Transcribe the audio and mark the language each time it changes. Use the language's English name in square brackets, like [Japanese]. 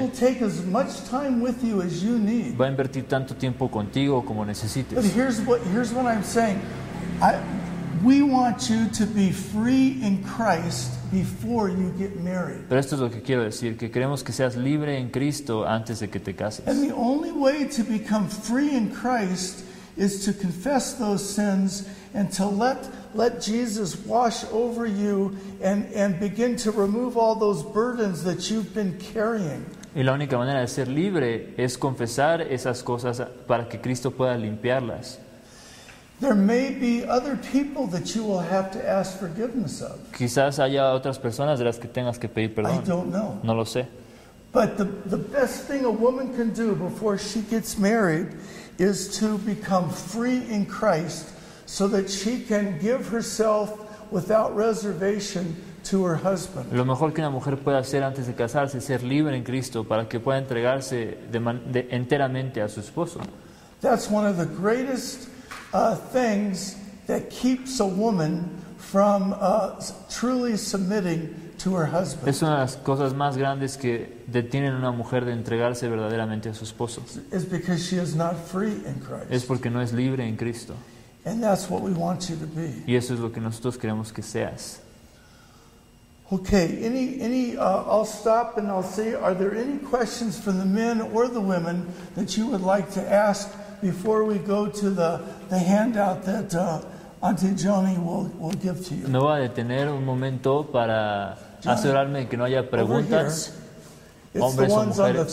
[English] Will take as much time with you as you need. [Spanish] Va a invertir tanto tiempo contigo como necesites. [English] But here's what I'm saying. We want you to be free in Christ before you get married. [Spanish] Pero esto es lo que quiero decir, que queremos que seas libre en Cristo antes de que te cases. [English] And the only way to become free in Christ is to confess those sins and to let Jesus wash over you and begin to remove all those burdens that you've been carrying. [Spanish] Y la única manera de ser libre es confesar esas cosas para que Cristo pueda limpiarlas. [English] There may be other people that you will have to ask forgiveness of. [Spanish] Quizás haya otras personas de las que tengas que pedir perdón. [English] I don't know. [Spanish] No lo sé. [English] But the best thing a woman can do before she gets married is to become free in Christ so that she can give herself without reservation to her husband. [Spanish] Lo mejor que una mujer puede hacer antes de casarse es ser libre en Cristo para que pueda entregarse enteramente a su esposo. [English] That's one of the greatest things that keeps a woman from truly submitting to her husband. [Spanish] Es una de las cosas más grandes que detienen a una mujer de entregarse verdaderamente a su esposo. [English] Is because she is not free in Christ. [Spanish] Es porque no es libre en Cristo. [English] And that's what we want you to be. [Spanish] Y eso es lo que nosotros queremos que seas. [English] Okay, I'll stop and I'll see, are there any questions from the men or the women that you would like to ask before we go to the handout that Auntie Joni will give to you? [Spanish] Me voy a detener un momento para asegurarme de que no haya preguntas, hombres o mujeres.